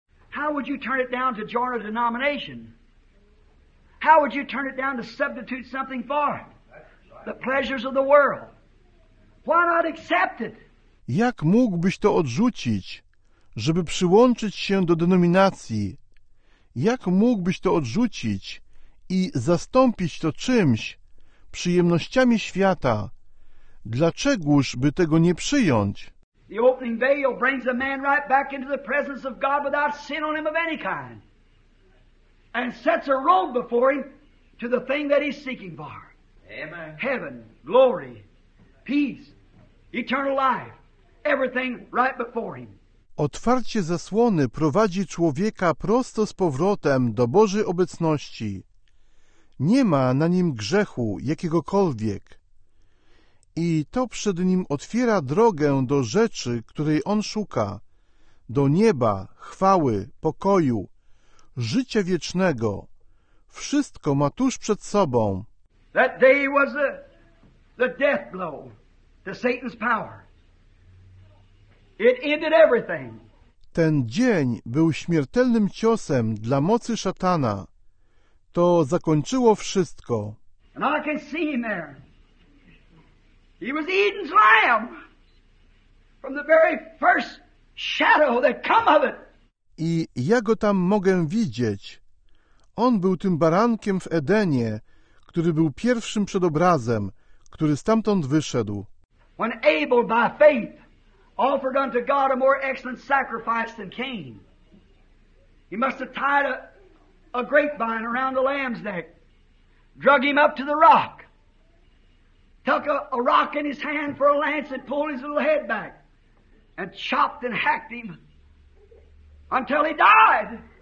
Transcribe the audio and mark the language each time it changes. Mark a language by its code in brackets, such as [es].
[en] How would you turn it down to join a denomination? How would you turn it down to substitute something for the pleasures of the world? Why not accept it? [pl] Jak mógłbyś to odrzucić, żeby przyłączyć się do denominacji? Jak mógłbyś to odrzucić i zastąpić to czymś, przyjemnościami świata? Dlaczegóż by tego nie przyjąć? [en] The opening veil brings a man right back into the presence of God without sin on him of any kind, and sets a road before him to the thing that he's seeking for. Amen. Heaven, glory, peace, eternal life, everything right before him. [pl] Otwarcie zasłony prowadzi człowieka prosto z powrotem do Bożej obecności. Nie ma na nim grzechu jakiegokolwiek. I to przed nim otwiera drogę do rzeczy, której on szuka, do nieba, chwały, pokoju, życia wiecznego. Wszystko ma tuż przed sobą. [en] That day was the death blow to Satan's power. It ended everything. [pl] Ten dzień był śmiertelnym ciosem dla mocy szatana. To zakończyło wszystko. [en] And I can see him there. He was Eden's lamb from the very first shadow that come of it. [pl] I ja go tam mogę widzieć. On był tym barankiem w Edenie, który był pierwszym przedobrazem, który stamtąd wyszedł. [en] When Abel by faith offered unto God a more excellent sacrifice than Cain, he must have tied a grapevine around the lamb's neck, drug him up to the rock, took a rock in his hand for a lance and pulled his little head back and chopped and hacked him until he died.